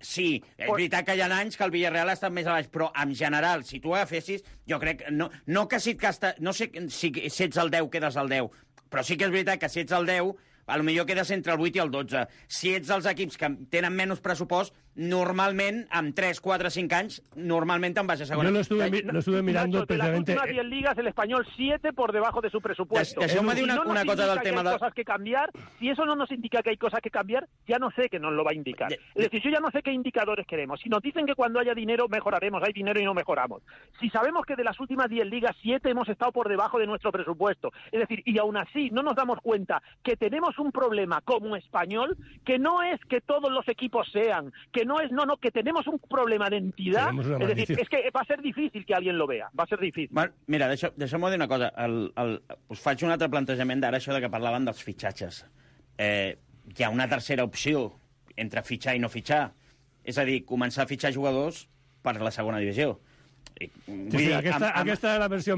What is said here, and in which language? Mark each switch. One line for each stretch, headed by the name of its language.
Catalan: Sí, és veritat que hi ha anys que el Villarreal ha estat més a baix, però en general, si tu agafessis, jo crec... No sé si ets el 10, quedes el 10, però sí que és veritat que si ets el 10, potser quedes entre el 8 i el 12. Si ets els equips que tenen menys pressupost... normalment, amb 3, 4, 5 anys, normalment te'n vas a segona.
Spanish: Jo l'estuve mirando precisamente... En las últimas 10 ligas, el Español 7 por debajo de su presupuesto.
Catalan: Deixeu-me dir una cosa del tema...
Spanish: Si no nos indica que hay cosas que cambiar, si eso no nos indica que hay cosas que cambiar, ya no sé que nos lo va a indicar. Es decir, yo ya no sé qué indicadores queremos. Si nos dicen que cuando haya dinero, mejoraremos. Hay dinero y no mejoramos. Si sabemos que de las últimas 10 ligas, 7 hemos estado por debajo de nuestro presupuesto. Es decir, y aún así no nos damos cuenta que tenemos un problema como Español, que no es que todos los equipos sean... que no es, no, que tenemos un problema de entidad, es decir, es que va a ser difícil que alguien lo vea, va a ser difícil.
Catalan: Bueno, mira, deixa'm dir una cosa, us faig un altre plantejament d'ara, això de que parlaven dels fitxatges. Hi ha una tercera opció entre fitxar i no fitxar, és a dir, començar a fitxar jugadors per la segona divisió. Aquesta és la versió